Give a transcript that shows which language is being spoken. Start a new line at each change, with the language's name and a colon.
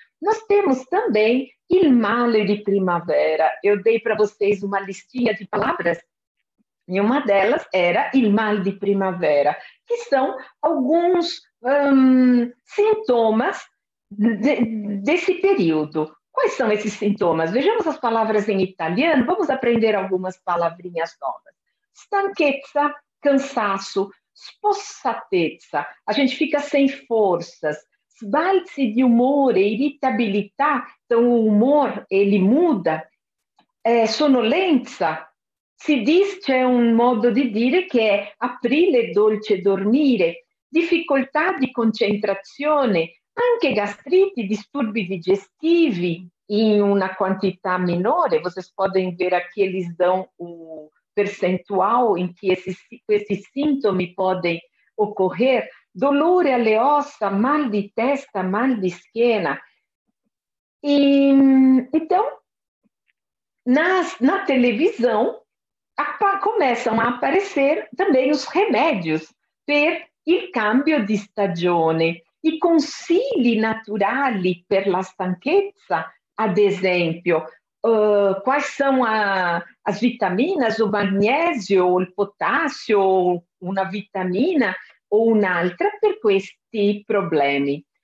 Italian: Noi abbiamo anche il male di primavera. Io dei per voi una listina di parole e una delle era il mal di primavera, che sono alcuni sintomi desse periodo.
Portuguese: Quais são esses sintomas? Vejamos as palavras em italiano, vamos aprender algumas palavrinhas novas.
Italian: Stanchezza, cansaço, spossatezza,
Portuguese: a gente fica sem forças,
Italian: sbalzi di umore, irritabilità,
Portuguese: então o humor, ele muda,
Italian: sonolenza, si diz, c'è un modo di dire che è aprile dolce dormire, difficoltà di concentrazione, anche gastriti, disturbi digestivi in una quantità minore.
Portuguese: Vocês podem ver aqui, eles dão o percentual em que esses sintomi podem ocorrer.
Italian: Dolore alle ossa, mal di testa, mal di schiena.
Portuguese: E, então, na televisão, começam a aparecer também os remédios
Italian: per il cambio di stagione. I consigli naturali per la stanchezza, ad esempio,
Portuguese: quais são as vitaminas,
Italian: o magnesio, il potassio, una vitamina o un'altra per questi problemi.